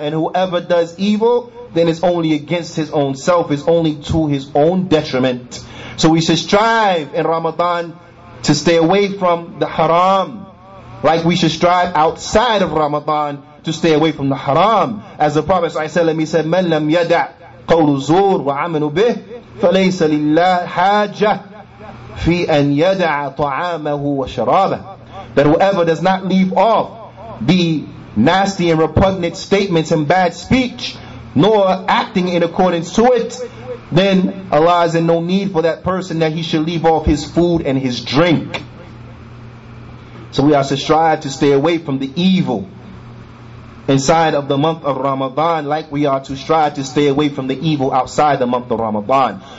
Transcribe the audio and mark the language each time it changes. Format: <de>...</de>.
<en>And whoever does evil, then it's only against his own self, it's only to his own detriment. So we should strive in Ramadan to stay away from the haram, like we should strive outside of Ramadan to stay away from the haram. As the Prophet sallallahu alaihi wasallam said,</en> <ar>مَنْ لَمْ يَدَعْ قَوْلُ الزُّورِ وَعَمَنُ بِهِ فَلَيْسَ لِلَّهِ حَاجَةٌ فِي أَنْ يَدَعَ طَعَامَهُ وَشَرَابَهُ.</ar> <en>That whoever does not leave off the nasty and repugnant statements and bad speech, nor acting in accordance to it, then Allah is in no need for that person that he should leave off his food and his drink. So we are to strive to stay away from the evil inside of the month of Ramadan, like we are to strive to stay away from the evil outside the month of Ramadan.</en>